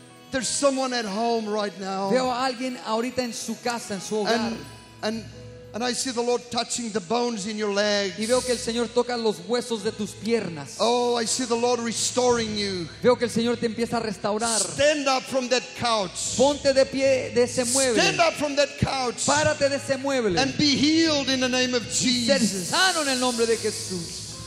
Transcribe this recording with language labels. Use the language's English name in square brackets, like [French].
[English] There's someone at home right now. [Spanish] Veo a alguien ahorita en su casa, en su hogar. [English] And I see the Lord touching the bones in your legs. [Spanish] Y veo que el Señor toca los huesos de tus piernas. [English] Oh, I see the Lord restoring you. [Spanish] Veo que el Señor te empieza a restaurar. [English] Stand up from that couch. [Spanish] Ponte de pie de ese mueble. [English] Stand up from that couch. [Spanish] Párate de ese mueble. [English] And be healed in the name of Jesus. [Spanish] Ser sano en el nombre de Jesús.